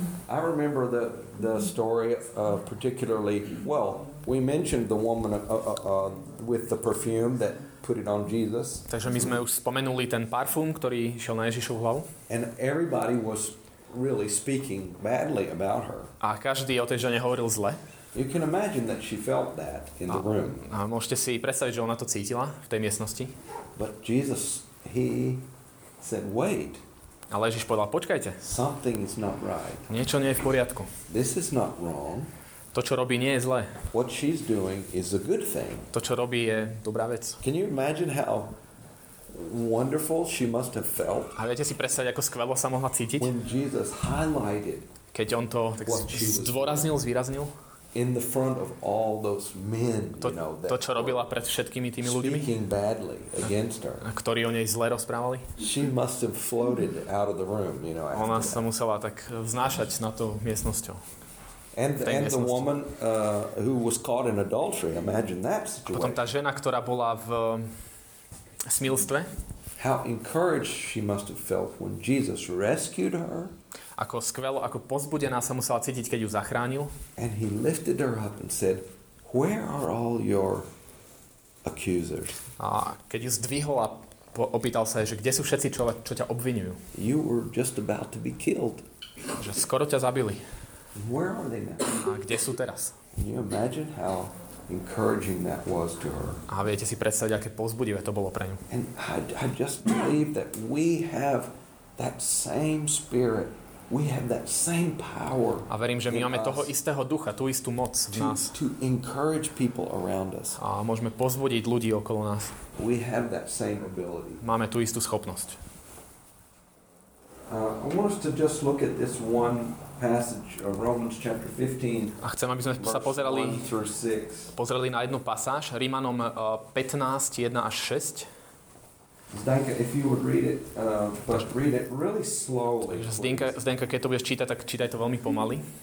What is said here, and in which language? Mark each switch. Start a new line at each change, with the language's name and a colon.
English: I remember the story particularly, well, we mentioned the woman with the perfume that put it on Jesus.
Slovak: Takže my sme už spomenuli ten parfum, ktorý šiel na Ježišovu hlavu.
English: And everybody was really speaking badly about her.
Slovak: A každý o tej žene hovoril zle.
English: You can imagine that she felt that in the room.
Slovak: A môžete si predstaviť, že ona to cítila v tej miestnosti.
English: But Jesus, he said, wait.
Slovak: Ale Ježiš povedal, počkajte.
English: Something is not right.
Slovak: Niečo nie je v poriadku.
English: This is not wrong.
Slovak: To, čo robí, nie je zlé.
English: What she's doing is a good thing.
Slovak: To, čo robí, je dobrá vec.
English: Can you imagine how wonderful she must have felt?
Slovak: A viete si predstaviť, ako skvelo sa mohla cítiť?
English: When Jesus highlighted.
Slovak: Keď on to tak zdôraznil, zvýraznil.
English: In the front of all those men,
Slovak: to, čo robila pred všetkými tými ľuďmi.
English: Speaking badly against her.
Slovak: Ktorí o nej zle rozprávali.
English: She must have floated out of the room,
Slovak: Ona sa musela tak vznášať na tú miestnosťou.
English: And the woman who was caught in adultery, imagine that situation.
Slovak: Potom tá žena, ktorá bola v smilstve.
English: How encouraged she must have felt when Jesus rescued her.
Slovak: Ako skvelo, ako pozbudená sa musela cítiť, keď ju zachránil.
English: And he lifted her up and said, "Where are all your accusers?"
Slovak: A keď ju zdvihol a opýtal sa jej, že kde sú všetci, čo ťa obvinujú?
English: You were just about to be killed.
Slovak: Že skoro ťa zabili.
English: Where are they now?
Slovak: A kde sú teraz?
English: Can you imagine how encouraging that was to her?
Slovak: A viete si predstaviť, aké povzbudivé to bolo pre ňu?
English: And I just believe that we have that same spirit. We have that same power.
Slovak: A verím, že my máme toho istého ducha, tú istú moc v nás.
English: To encourage people around us.
Slovak: A môžeme povzbudiť ľudí okolo nás.
English: We have that same ability.
Slovak: Máme tú istú schopnosť.
English: I want us to just look at this one passage of Romans chapter 15.
Slovak: A chcem, aby sme sa pozerali na jednu pasáž, Rímanom 15, 1 až 6.
English: Zdenka, if you would read it, but read it really slowly.
Slovak: Zdenka, keď to budeš čítať, tak čítaj to veľmi pomaly.